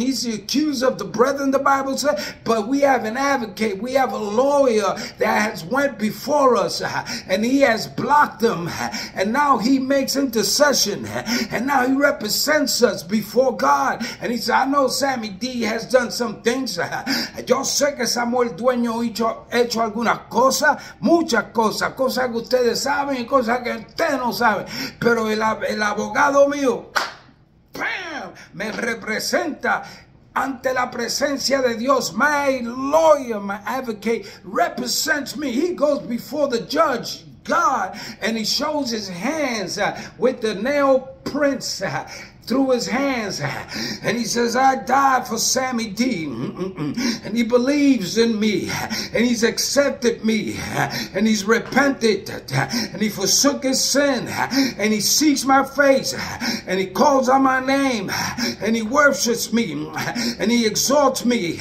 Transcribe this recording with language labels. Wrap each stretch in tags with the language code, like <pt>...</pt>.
<en>He's the accuser of the brethren, the Bible says. But we have an advocate. We have a lawyer that has went before us. And he has blocked them. And now he makes intercession. And now he represents us before God. And he said, I know Sammy D has done some things.</en> <es>Yo sé que Samuel Dueño hecho alguna cosa, muchas cosas, cosas que ustedes saben y cosas que ustedes no saben. Pero el abogado mío, bam, me representa ante la presencia de Dios.</es> <en>My lawyer, my advocate, represents me. He goes before the judge, God, and he shows his hands with the nail prints through his hands, and he says, I died for Sammy D, and he believes in me, and he's accepted me, and he's repented, and he forsook his sin, and he seeks my face, and he calls on my name, and he worships me, and he exalts me.</en>